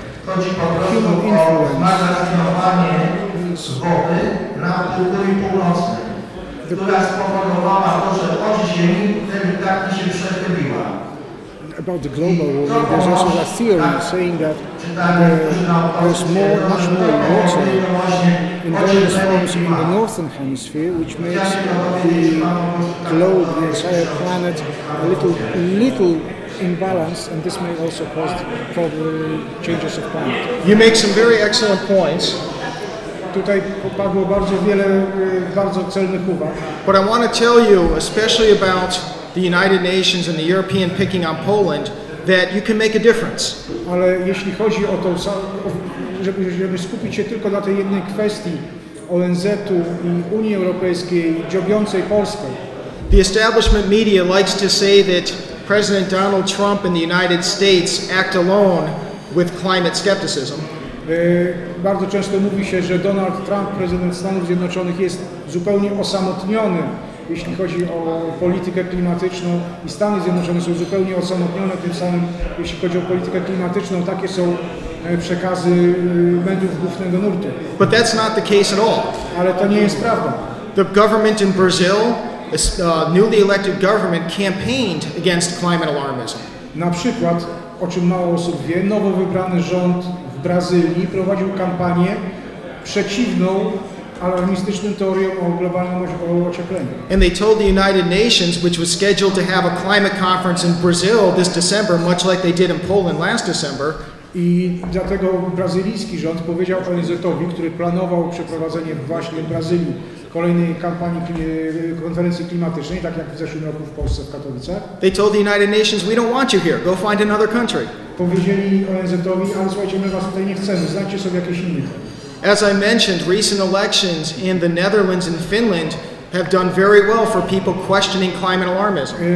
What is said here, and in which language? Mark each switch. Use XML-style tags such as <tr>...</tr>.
<pl>Chodzi po prostu o magazynowanie wody na półkuli północnej, która spowodowała to, że od ziemi delikatnie się przechyliła.</pl> <en>About the global warming, there's also a theory saying that there's more, much more water in various forms in the northern hemisphere, which makes the globe, the entire planet, a little imbalanced, and this may also cause probably changes of climate. You make some very excellent points.</en> <pl>Tutaj padło bardzo wiele bardzo celnych uwag.</pl> <en>But I want to tell you, especially about the United Nations and the European picking on Poland, that you can make a difference.</en> <pl>Ale jeśli chodzi o to, żeby skupić się tylko na tej jednej kwestii ONZ-u i Unii Europejskiej dziobiącej Polskę.</pl> <en>The establishment media likes to say that President Donald Trump and the United States act alone with climate skepticism.</en> <pl>Bardzo często mówi się, że Donald Trump, prezydent Stanów Zjednoczonych, jest zupełnie osamotniony, jeśli chodzi o politykę klimatyczną, i Stany Zjednoczone są zupełnie osamotnione, tym samym jeśli chodzi o politykę klimatyczną, takie są przekazy mediów głównego nurtu.</pl> <en>But that's not the case at all.</en> <pl>Ale to nie jest prawda.</pl> <en>The government in Brazil, a newly elected government, campaigned against climate alarmism.</en> <pl>Na przykład, o czym mało osób wie, nowo wybrany rząd w Brazylii prowadził kampanię przeciwną alarmistyczną teorią o globalnym ociepleniu.</pl> <en>And they told the United Nations, which was scheduled to have a climate conference in Brazil this December, much like they did in Poland last December.</en> <pl>I dlatego brazylijski rząd powiedział ONZ-owi, który planował przeprowadzenie właśnie w Brazylii kolejnej kampanii konferencji klimatycznej, tak jak w zeszłym roku w Polsce, w Katowicach.</pl> <en>They told the United Nations, we don't want you here, go find another country.</en> <pl>Powiedzieli ONZ-owi, ale słuchajcie, my was tutaj nie chcemy, znajdźcie sobie jakieś inne.</pl> <en>As I mentioned, recent elections in the Netherlands and Finland have done very well for people questioning climate alarmism.</en>